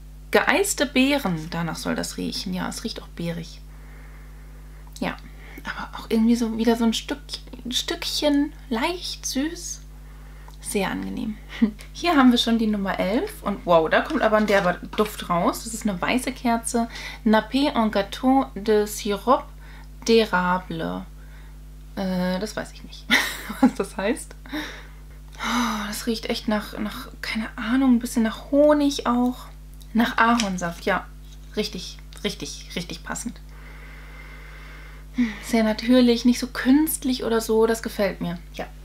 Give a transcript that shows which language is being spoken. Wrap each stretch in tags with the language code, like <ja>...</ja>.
<de>Geeiste Beeren, danach soll das riechen. Ja, es riecht auch beerig. Ja, aber auch irgendwie so wieder so ein Stückchen leicht süß. Sehr angenehm. Hier haben wir schon die Nummer 11 und wow, da kommt aber ein derber Duft raus. Das ist eine weiße Kerze.</de> <fr>Nappé en gâteau de sirop d'érable.</fr> <de>Das weiß ich nicht, was das heißt. Das riecht echt nach, keine Ahnung, ein bisschen nach Honig auch. Nach Ahornsaft, ja. Richtig passend. Sehr natürlich, nicht so künstlich oder so, das gefällt mir. Ja.</de>